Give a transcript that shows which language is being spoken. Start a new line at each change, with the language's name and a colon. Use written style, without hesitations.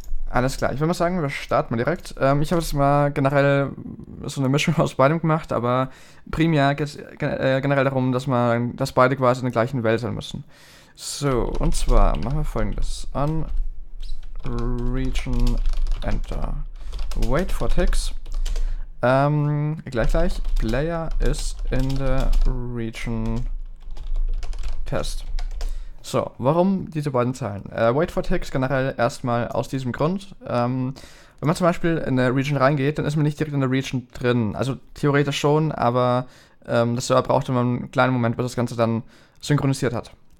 German: Alles klar, ich würde mal sagen, wir starten mal direkt. Ich habe jetzt mal generell so eine Mischung aus beidem gemacht, aber primär geht es generell darum, dass beide quasi in der gleichen Welt sein müssen. So, und zwar machen wir folgendes: On Region Enter.
English: Wait for Ticks. Gleich. Player is in the Region Test.
German: So, warum diese beiden Zeilen? Wait for Ticks generell erstmal aus diesem Grund. Wenn man zum Beispiel in eine Region reingeht, dann ist man nicht direkt in der Region drin. Also theoretisch schon, aber das Server braucht immer einen kleinen Moment, bis das Ganze dann synchronisiert hat.